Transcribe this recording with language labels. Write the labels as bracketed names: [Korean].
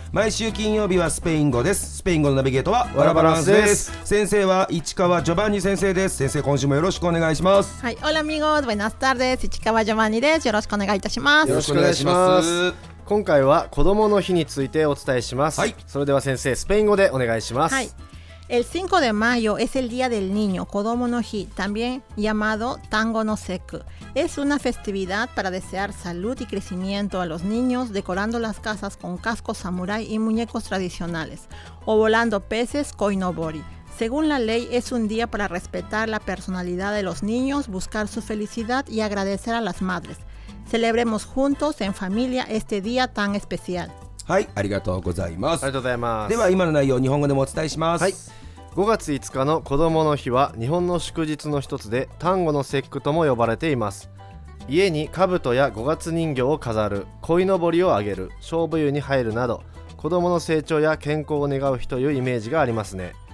[Japanese] 毎週金曜日はスペイン語です。スペイン語のナビゲートはワラバランスです。先生は市川ジョバンニ先生です。先生今週もよろしくお願いします。はい、オラミゴーズ、ブエナスタルです。市川ジョバンニです。よろしくお願いいたします。よろしくお願いします。今回は子供の日についてお伝えします。はい、それでは先生スペイン語でお願いします。 [Spanish] はい、El 5 de mayo es el día del niño, [Japanese] 子供の日, [Spanish] también llamado Tango no Seku. Es una festividad para desear salud y crecimiento a los niños, decorando las casas con cascos samurái y muñecos tradicionales, o volando peces koinobori. Según la ley, es un día para respetar la personalidad de los niños, buscar su felicidad y agradecer a las madres. Celebremos juntos en familia este día tan especial. [Japanese] はい、ありがとうございます。ありがとうございます。では今の内容を日本語でもお伝えします。はい、5月5日の子どもの日は日本の祝日の一つで、端午の節句とも呼ばれています。家に兜や五月人形を飾る、鯉のぼりをあげる、勝負湯に入るなど、子どもの成長や健康を願う日というイメージがありますね。